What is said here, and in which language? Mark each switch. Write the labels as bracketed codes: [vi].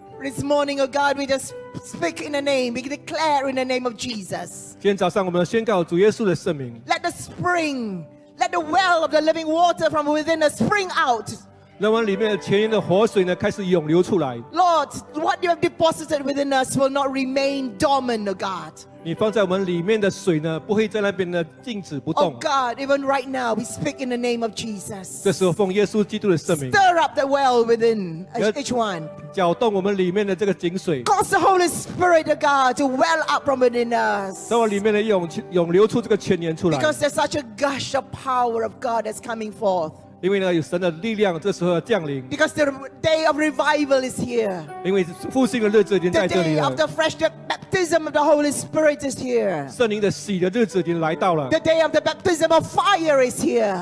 [en] This morning, O God, we just speak in the name, we declare in the name of Jesus. [zh] 今天早上我们宣告主耶稣的圣名。 [en] Let the spring, let the well of the living water from within us spring out. [zh] 让我们里面的泉源的活水呢开始涌流出来。 [en] Lord, what you have deposited within us will not remain dormant, O God. [zh] 你放在我们里面的水呢不会在那边呢静止不动。 [en] Oh God, even right now, we speak in the name of Jesus. [zh] 这时候奉耶稣基督的圣名。 [en] Stir up the well within each one. [zh] 搅动我们里面的这个井水。 [en] Cause the Holy Spirit of God to well up from within us. [zh] 让我里面的涌流出这个泉源出来。 [en] Because there's such a gush of power of God that's coming forth. Because the day of revival is here. The day of the fresh baptism of the Holy Spirit is here. The day of the baptism of fire is here.